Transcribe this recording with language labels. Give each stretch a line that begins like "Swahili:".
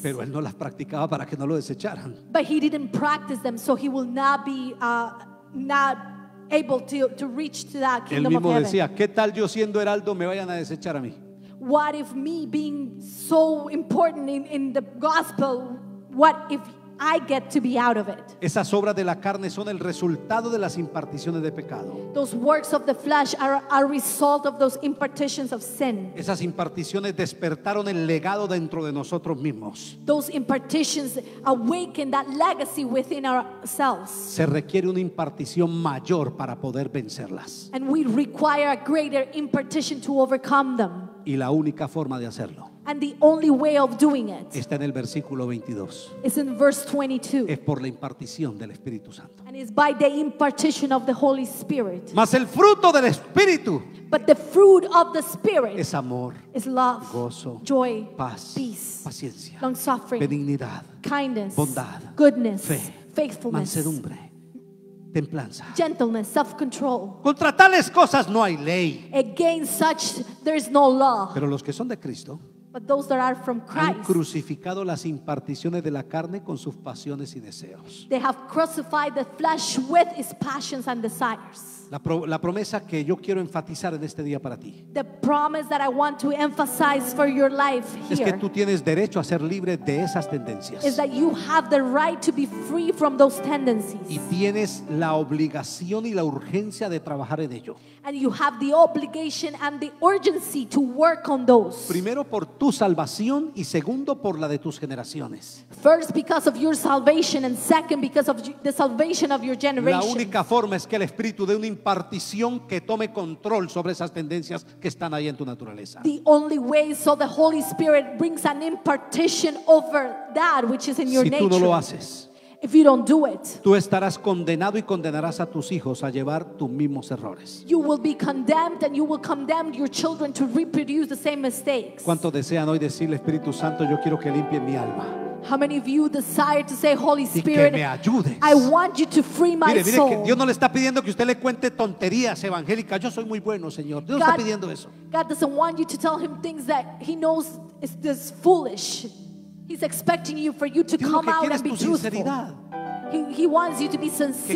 Spanish: Pero él no las practicaba para que no lo desecharan.
English: But he didn't practice them, so he will not be not able to reach to that kingdom of heaven.
Spanish: Él mismo decía, ¿qué tal yo siendo heraldo me vayan a desechar a mí?
English: What if me being so important in the gospel, what if I get to be out of it?
Spanish: Esas obras de la carne son el resultado de las imparticiones de pecado.
English: Those works of the flesh are a result of those impartitions of sin.
Spanish: Esas imparticiones despertaron el legado dentro de nosotros mismos.
English: Those impartitions awaken that legacy within ourselves.
Spanish: Se requiere una impartición mayor para poder vencerlas.
English: And we require a greater impartition to overcome them.
Spanish: Y la única forma de hacerlo.
English: And the only way of doing it.
Spanish: Está en el versículo 22.
English: It's in verse 22.
Spanish: Es por la impartición del Espíritu Santo.
English: And it's by the impartition of the Holy Spirit.
Spanish: Mas el fruto del Espíritu.
English: But the fruit of the Spirit.
Spanish: Es amor.
English: Is love.
Spanish: Gozo.
English: Joy.
Spanish: Paz.
English: Peace.
Spanish: Paciencia.
English: Long suffering.
Spanish: Benignidad.
English: Kindness.
Spanish: Bondad.
English: Goodness.
Spanish: Fe.
English: Faithfulness.
Spanish: Mansedumbre. Templanza.
English: Gentleness, self-control.
Spanish: Contra tales cosas no hay ley.
English: Against such there is no law.
Spanish: Pero los que son de Cristo.
English: But those that are from Christ,
Spanish: han crucificado las imparticiones de la carne con sus pasiones y deseos.
English: They have crucified the flesh with its passions and desires.
Spanish: La promesa que yo quiero enfatizar en este día para ti.
English: The promise that I want to emphasize for your life here.
Spanish: Es que tú tienes derecho a ser libre de esas tendencias.
English: Is that you have the right to be free from those tendencies.
Spanish: Y tienes la obligación y la urgencia de trabajar en ello.
English: And you have the obligation and the urgency to work on those.
Spanish: Primero por tu salvación y segundo por la de tus generaciones.
English: First because of your salvation and second because of the salvation of your generation.
Spanish: La única forma es que el Espíritu dé una impartición que tome control sobre esas tendencias que están ahí en tu naturaleza.
English: The only way so the Holy Spirit brings an impartition over that which is in your nature.
Spanish: Si tú no lo haces,
English: if you don't do it,
Spanish: tú estarás condenado y condenarás a tus hijos a llevar tus mismos errores.
English: You will be condemned and you will condemn your children to reproduce the same mistakes.
Spanish: ¿Cuánto desean hoy decirle, Espíritu Santo, yo quiero que limpie mi alma?
English: How many of you desire to say, Holy Spirit,
Spanish: y que me ayudes.
English: I want you to free my
Spanish: mire,
English: soul.
Spanish: Que Dios no le está pidiendo que usted le cuente tonterías evangélicas. Yo soy muy bueno, Señor. Dios está pidiendo eso.
English: God doesn't want you to tell him things that he knows is this foolish. He's expecting you for you to
Spanish: Dios
English: come out and be truthful.
Spanish: Sinceridad.
English: He wants you to be sincere.